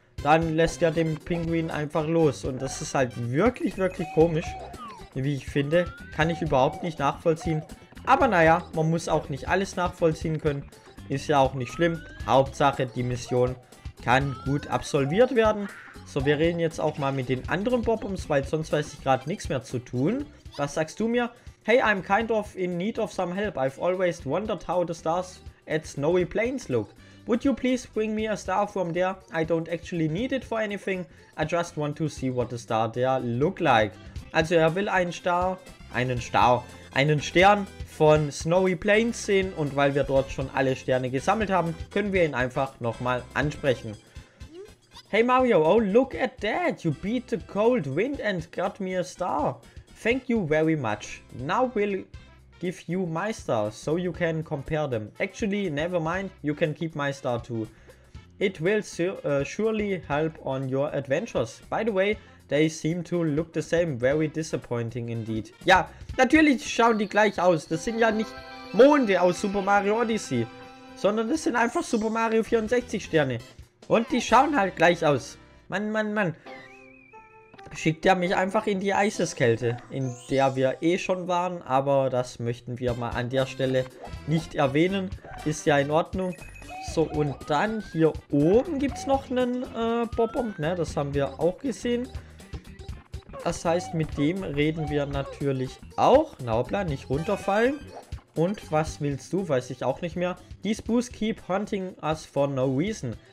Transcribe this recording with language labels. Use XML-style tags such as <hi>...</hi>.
<de>Dann lässt er den Pinguin einfach los. Und das ist halt wirklich, wirklich komisch, wie ich finde. Kann ich überhaupt nicht nachvollziehen. Aber naja, man muss auch nicht alles nachvollziehen können. Ist ja auch nicht schlimm. Hauptsache, die Mission kann gut absolviert werden. So, wir reden jetzt auch mal mit den anderen Bob-Oms, weil sonst weiß ich gerade nichts mehr zu tun. Was sagst du mir?</de> <en>Hey, I'm kind of in need of some help. I've always wondered how the stars at Snowy Plains look. Would you please bring me a star from there? I don't actually need it for anything. I just want to see what the star there look like.</en> <de>Also er will einen Stern von Snowy Plains sehen. Und weil wir dort schon alle Sterne gesammelt haben, können wir ihn einfach nochmal ansprechen.</de> <en>Hey Mario, oh look at that. You beat the cold wind and got me a star. Thank you very much. Now we'll give you my star, so you can compare them. Actually, never mind, you can keep my star too. It will surely help on your adventures. By the way, they seem to look the same. Very disappointing indeed.</en> <de>Ja, natürlich schauen die gleich aus. Das sind ja nicht Monde aus Super Mario Odyssey, sondern das sind einfach Super Mario 64 Sterne. Und die schauen halt gleich aus. Mann, Mann, Mann. Schickt er mich einfach in die Eiseskälte, in der wir eh schon waren, aber das möchten wir mal an der Stelle nicht erwähnen. Ist ja in Ordnung. So, So, und dann hier oben gibt es noch einen Bob-Omb, ne? Das haben wir auch gesehen. Das heißt, mit dem reden wir natürlich auch. Naubla, nicht runterfallen. Und was willst du? Weiß ich auch nicht mehr.</de> <en>These boos keep hunting us for no reason.</en>